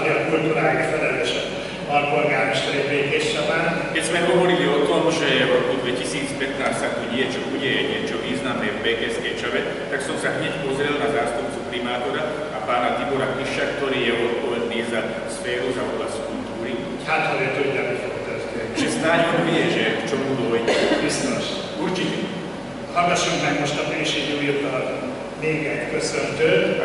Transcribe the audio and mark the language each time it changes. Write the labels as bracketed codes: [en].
[hu] kultúráért felelősen alpolgármester Békéscsabán. [sk] Keď sme hovorili o tom, že v roku 2015 sa tu niečo udeje, niečo významné v Békéskej Čave, tak som sa hneď pozrel na zástupcu primátora a pána Tibora Kiša, ktorý je odpovedný za sféru, za oblasť kultúry. Hát, ale to je to, že snáď on vie, že k čomu dôjde. [hu] Biztos. [sk] Určite. [hu] Hallgassunk meg most a Pénységi Újoknál még egy köszöntőt.